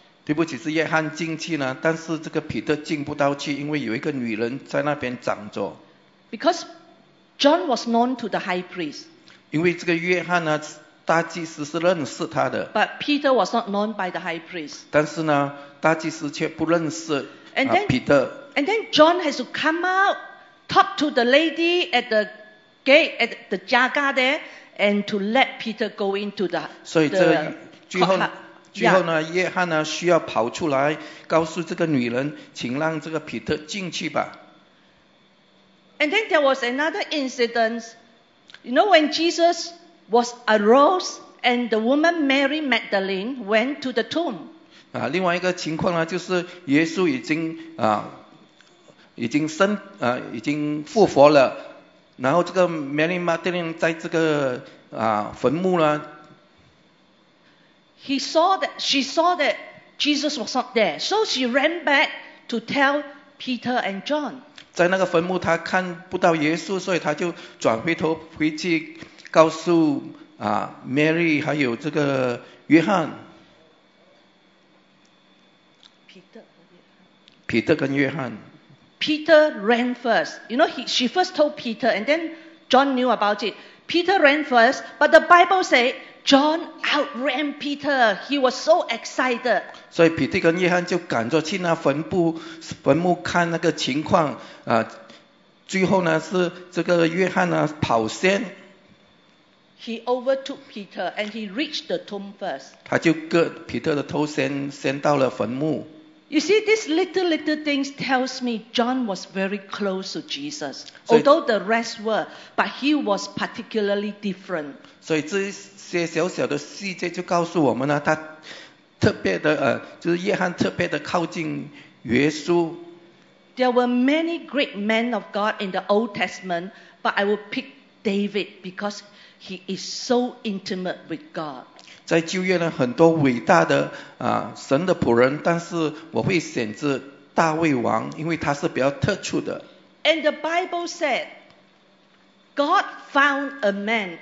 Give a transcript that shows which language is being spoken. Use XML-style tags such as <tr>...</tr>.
<zh>对不起，是约翰进去呢，但是这个彼得进不到去，因为有一个女人在那边掌着。</zh> <en>Because John was known to the high priest.</en> <zh>因为这个约翰呢，大祭司是认识他的。</zh> <en>But Peter was not known by the high priest.</en> <zh>但是呢，大祭司却不认识彼得。</zh> <en>And then John has to come out, talk to the lady at the gate, at the jaga there, and to let Peter go into the courtyard.</en> <zh>所以这最后。最后呢，约翰呢需要跑出来告诉这个女人，请让这个彼得进去吧。</zh> <en>And then there was another incident. You know, when Jesus was arose and the woman Mary Magdalene went to the tomb.</en> <zh>啊，另外一个情况呢，就是耶稣已经啊。已经升啊、已经复活了，然后这个 Mary Magdalene 在这个啊、坟墓呢。</zh> <en>He saw that she saw that Jesus was not there, so she ran back to tell Peter and John.</en> <zh>在那个坟墓，他看不到耶稣，所以他就转回头回去告诉啊、Mary 还有这个约翰。</zh> <en>Peter</en> <zh>跟约翰。</zh> <en>Peter ran first. You know, she first told Peter, and then John knew about it. Peter ran first, but the Bible says John outran Peter. He was so excited.</en> <zh>所以彼得跟约翰就赶着去那坟墓看那个情况。啊，最后呢是这个约翰呢跑先。</zh> <en>He overtook Peter and he reached the tomb first.</en> <zh>他就割彼得的头先到了坟墓。</zh> <en>You see, these little things tells me John was very close to Jesus, although the rest were, but he was particularly different.</en> <zh>所以这些小小的细节就告诉我们呢，他特别的就是约翰特别的靠近耶稣。</zh> <en>There were many great men of God in the Old Testament, but I will pick David because he is so intimate with God.</en> <zh>在旧约呢，很多伟大的啊、神的仆人，但是我会选择大卫王，因为他是比较特殊的。</zh> <en>And the Bible said, God found a man.</en>